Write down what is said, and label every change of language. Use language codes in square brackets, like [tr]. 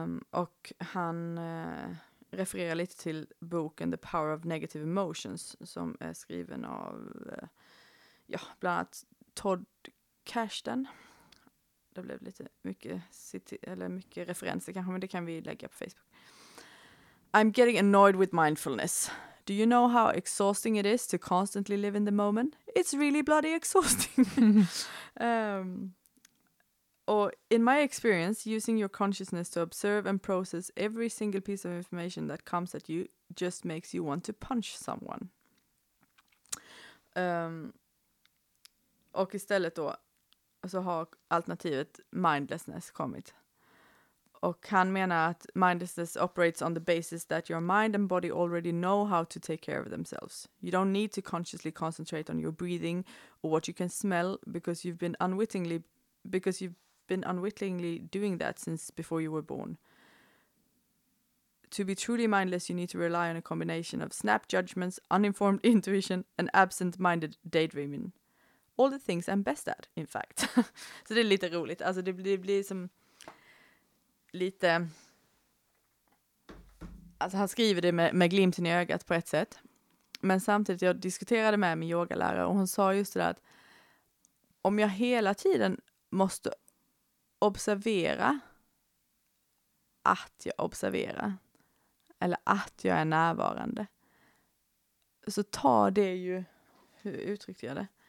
[sv] Och han refererar lite till boken The Power of Negative Emotions som är skriven av bland annat Todd Kashten. Det blev lite mycket referenser kanske, men det kan vi lägga på Facebook. [en] I'm getting annoyed with mindfulness. Do you know how exhausting it is to constantly live in the moment? It's really bloody exhausting. Or in my experience, using your consciousness to observe and process every single piece of information that comes at you just makes you want to punch someone. [sv] Och istället då så har alternativet mindlessness kommit. Och han menar att [en] mindlessness operates on the basis that your mind and body already know how to take care of themselves. You don't need to consciously concentrate on your breathing or what you can smell because you've been unwittingly doing that since before you were born. To be truly mindless, you need to rely on a combination of snap judgments, uninformed intuition, and absent-minded daydreaming. All the things I'm best at, in fact. [sv] Så det är lite roligt. Alltså det blir som lite, alltså han skriver det med glimten i ögat på ett sätt. Men samtidigt, jag diskuterade med min yogalärare och hon sa just det där att om jag hela tiden måste observera att jag observerar eller att jag är närvarande, så tar det ju, hur uttryckte jag det?